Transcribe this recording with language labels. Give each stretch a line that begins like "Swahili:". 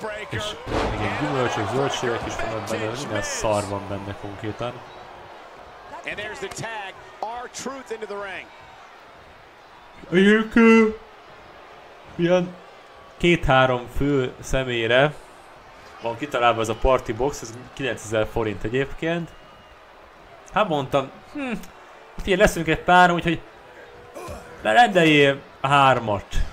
Hungarian: És igen, gyümölcsök, zöldségek is vannak benne, minden szar van benne konkrétan.
English: And there's the tag, R-Truth into the ring.
Hungarian: Ők ilyen két-három fő személyre van kitalálva ez a party box, ez 9000 forint egyébként. Hát mondtam, figyelj, leszünk egy pár, úgyhogy rendeljél hármat.